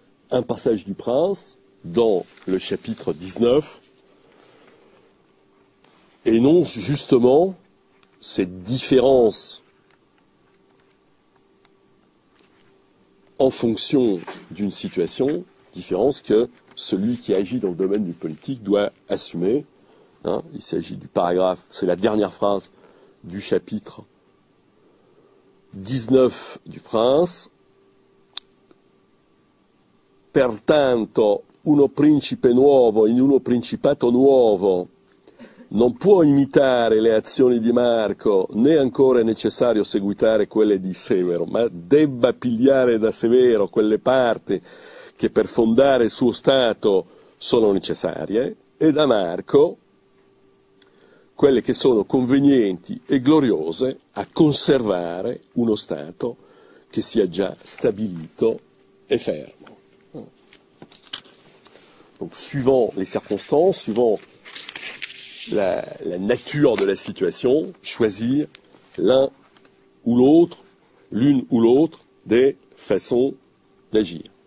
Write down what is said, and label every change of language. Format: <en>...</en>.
<fr>Un passage du prince dans le chapitre 19 énonce justement cette différence en fonction d'une situation, différence que celui qui agit dans le domaine du politique doit assumer. Hein, il s'agit du paragraphe, c'est la dernière phrase du chapitre 19 du prince.</fr> <it>Pertanto, uno principe nuovo in uno principato nuovo non può imitare le azioni di Marco, né ancora è necessario seguitare quelle di Severo, ma debba pigliare da Severo quelle parti che per fondare il suo stato sono necessarie, e da Marco quelle che sono convenienti e gloriose a conservare uno stato che sia già stabilito e fermo.</it> <fr>Donc, suivant les circonstances, suivant la nature de la situation, choisir l'une ou l'autre des façons d'agir.</fr>